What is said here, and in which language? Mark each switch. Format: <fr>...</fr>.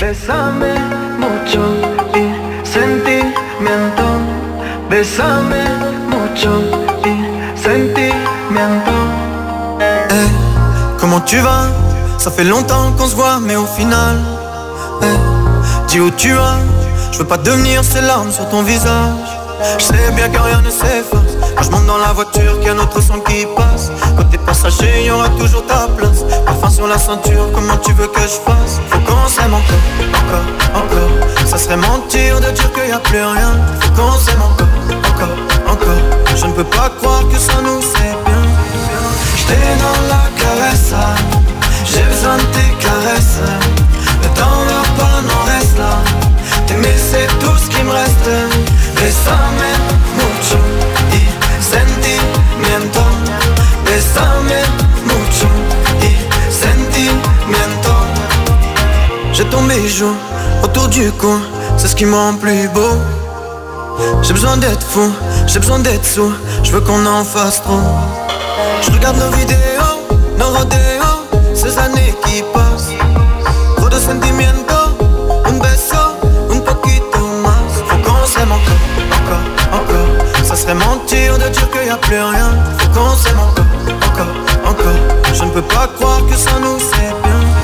<es>Bésame mucho y sentimiento. Bésame mucho y sentimiento.</es> <fr>Hey, comment tu vas? Ça fait longtemps qu'on se voit, mais au final, hey, dis où tu vas. Je veux pas devenir ces larmes sur ton visage. Je sais bien que rien ne s'efface. Quand je monte dans la voiture, qu'il y a un autre son qui passe. Côté passager, il y aura toujours ta place. Parfum sur la ceinture, comment tu veux que je fasse? Faut qu'on s'aime encore, encore, encore. Ça serait mentir de dire qu'il y a plus rien. Faut qu'on s'aime encore, encore, encore. Je ne peux pas croire que ça nous fait bien. J't'ai dans la caresse, j'ai besoin de tes caresses. Le temps ne meurt pas, non reste là. T'aimer c'est tout ce qui me reste.</fr> <es>Bésame mucho y sentimiento. Bésame mucho y sentimiento.</es> <fr>J'ai ton bijou autour du cou, c'est ce qui m'en plus beau. J'ai besoin d'être fou, j'ai besoin d'être sous. Je veux qu'on en fasse trop. Je regarde nos vidéos, nos rodéos, ces années qui passent. Trop de</fr> <es>sentimiento, un beso, un poquito más.</es> <fr>Faut qu'on s'aime encore, encore, encore. Ça serait mentir de dire qu'il y a plus rien. Faut qu'on s'aime encore, encore, encore. Je ne peux pas croire que ça nous fait bien.</fr>